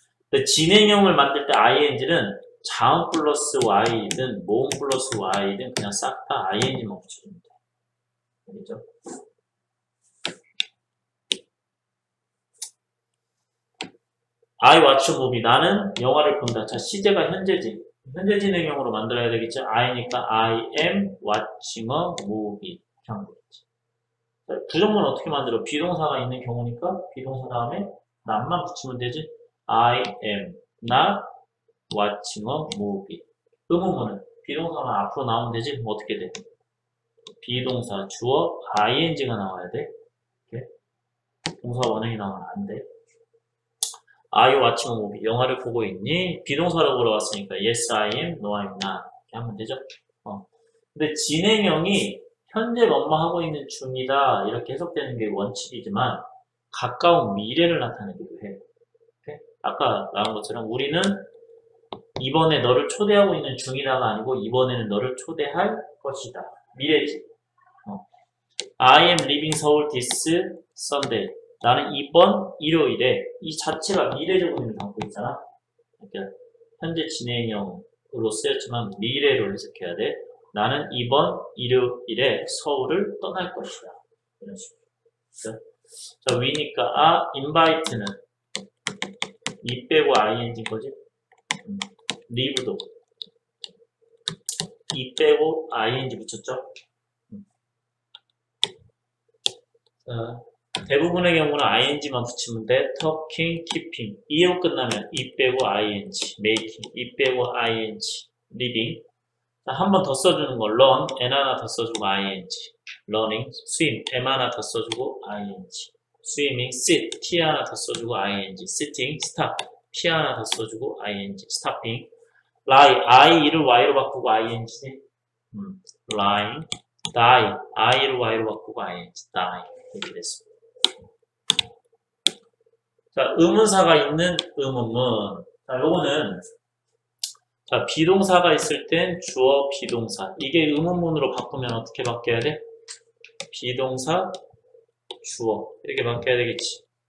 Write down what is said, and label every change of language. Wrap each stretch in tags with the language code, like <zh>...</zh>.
<ko>근데 진행형을 만들 때 ing는 자음 플러스 y든 모음 플러스 y든 그냥 싹다 ing만 붙입니다. 알겠죠?</ko> <en>아이 왓츠 무비.</en> <ko>나는 영화를 본다. 자, 시제가 현재지. 현재 진행형으로 만들어야 되겠지.</ko> <en>I니까 I am watching a movie.</en> <ko>부정문 어떻게 만들어? 비동사가 있는 경우니까 비동사 다음에 not만 붙이면 되지.</ko> <en>I am not watching a movie.</en> <ko>의문문은 비동사가 앞으로 나오면 되지. 어떻게 돼? 비동사 주어 ing가 나와야 돼. 동사 원형이 나오면 안 돼.</ko> <en>Are you watching a movie?</en> <ko>영화를 보고 있니? 비동사로 물어봤으니까</ko> <en>Yes, I am. No, I'm not.</en> <ko>이렇게 하면 되죠. 근데 진행형이 현재 뭐뭐 하고 있는 중이다 이렇게 해석되는 게 원칙이지만 가까운 미래를 나타내기도 해. 오케이? 아까 나온 것처럼 우리는 이번에 너를 초대하고 있는 중이다가 아니고 이번에는 너를 초대할 것이다. 미래지.</ko> <en>I am leaving Seoul this Sunday.</en> <ko>나는 이번 일요일에, 이 자체가 미래적인 의미를 담고 있잖아. 그러니까 현재 진행형으로 쓰였지만 미래로 해석해야 돼. 나는 이번 일요일에 서울을 떠날 것이다. 이런 식으로. 자, 위니까, 아, invite는 이 빼고 ing 거지? leave도 이 빼고 ing 붙였죠? 대부분의 경우는 ing만 붙이면 돼. talking, keeping. 이로 끝나면 이 빼고 ing, making. 이 빼고 ing, living. 한번더 써주는 거. run, n 하나 더 써주고 ing. running, swim, m 하나 더 써주고 ing. swimming, sit, t 하나 더 써주고 ing. sitting, stop, p 하나 더 써주고 ing. stopping. lie, i를 y로 바꾸고 ing지. lying, die, i를 y로 바꾸고 ing, die. 이렇게 됐습니다. 자, 의문사가 있는 의문문. 자, 요거는, 자, 비동사가 있을 땐 주어 비동사. 이게 의문문으로 바꾸면 어떻게 바뀌어야 돼? 비동사, 주어. 이렇게 바뀌어야 되겠지.</ko>